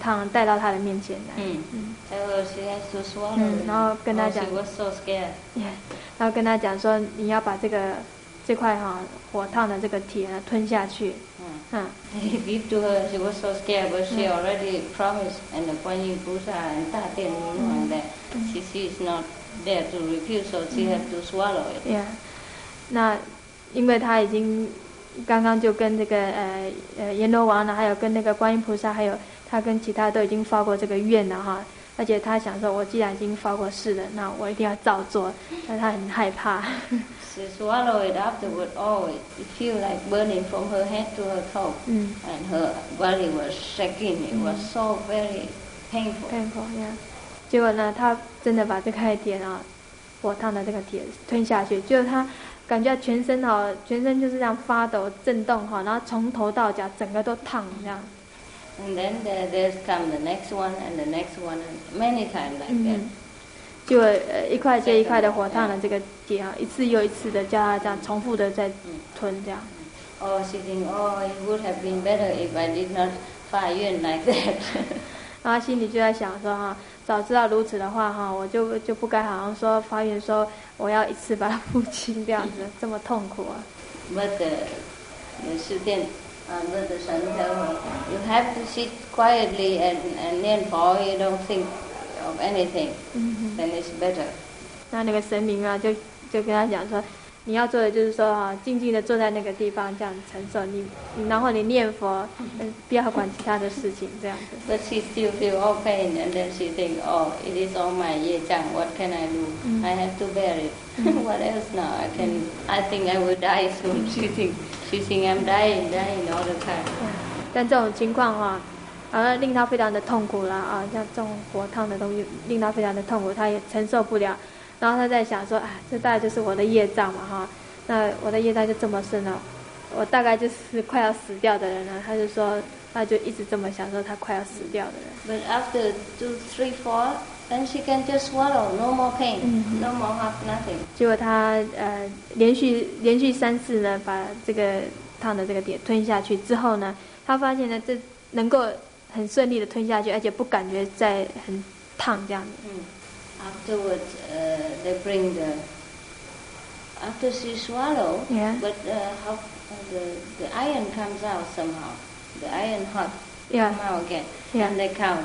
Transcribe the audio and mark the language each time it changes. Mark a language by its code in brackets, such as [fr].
[zh] 啊，对，那结果来了另外一位神啊，神明，这个神明呢就拿了一块那个火热的那个铁啊，那铁已经烧成火了，这样很烫，带到他的面前来。 [en] She has to swallow. [zh] 然后跟他讲。 [en] She was so scared. [zh] 然后跟他讲说，你要把这块火烫的这个铁吞下去。 [en] He gave to her, she was so scared, but she already promised, and the Quan Yin Buddha and 大殿明王 that [zh] 其实 [en] is not there to refuse, so she have to swallow it. Yeah. [zh] 那因为他已经刚刚就跟这个阎罗王呢，还有跟那个观音菩萨，还有他跟其他都已经发过这个愿了哈。而且他想说，我既然已经发过誓了，那我一定要照做。但他很害怕。 [en] She swallowed it afterward. Oh, it feel like burning from her head to her toe. And her body was shaking. It was so very painful. Painful, yeah. [zh] 结果呢，他真的把这块铁啊，火烫的这个铁吞下去，就是他。感觉全身哈，全身就是这样发抖、震动哈，然后从头到脚整个都烫这样。 [en] And then there's come the next one and the next one and many times like that. [zh] 就一块接一块的火烫的这个铁哈，一次又一次的叫他这样重复的在吞这样。 [en] Oh, she think, oh, it would have been better if I did not 发愿 like that. [zh] 然后心里就在想说哈，早知道如此的话哈，我就不该好像说发愿说我要一次把它付清这样子，这么痛苦啊。 [en] But the [zh] 师殿啊 [en] ，But the 神 tell me, you have to sit quietly and 念佛 you don't think of anything, then it's better. [zh] 那那个神明啊，就跟他讲说，你要做的就是说哈，静静的坐在那个地方这样承受你，然后你念佛，不要管其他的事情这样子。 [en] But she still feel all pain, and then she think, oh, it is all my 业障 What can I do? I have to bear it. What else now? I can. I think I will die soon. She think I'm dying all the time. Yeah. [zh] 但这种情况哈，令他非常的痛苦了啊，像这种火烫的东西，令他非常的痛苦，他也承受不了。然后他在想说，哎，这大概就是我的业障嘛，哈，那我的业障就这么深了，我大概就是快要死掉的人了。他就说，他就一直这么想说，他快要死掉的人。 [en] But after 2, 3, 4, then she can just swallow, no more pain, no more half nothing. [zh] 结果他连续三次呢，把这个烫的这个铁吞下去之后呢，他发现呢，这能够很顺利的吞下去，而且不感觉在很烫这样子。 [en] Afterwards, they bring the. After she swallow, but the iron comes out somehow, the iron hot come out again, and they count.